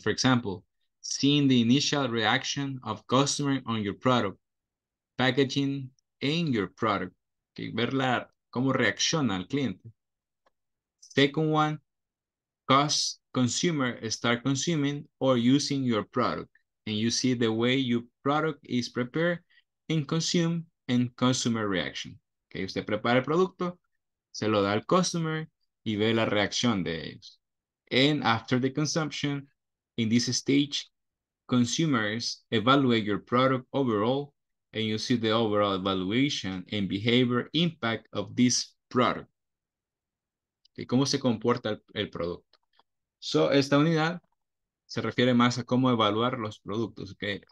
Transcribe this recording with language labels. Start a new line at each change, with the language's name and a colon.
English: For example, seeing the initial reaction of customer on your product, packaging, in your product, okay,
Spanish: ver la, cómo reacciona el cliente.
English: Second one, consumer start consuming or using your product, and you see the way your product is prepared and consumed and consumer reaction.
Spanish: Okay, usted prepara el producto, se lo da al customer y ve la reacción de ellos.
English: And after the consumption, in this stage, consumers evaluate your product overall, and you see the overall evaluation and behavior impact of this product.
Spanish: ¿Y cómo se comporta el producto? So, esta unidad se refiere más a cómo evaluar los productos, okay?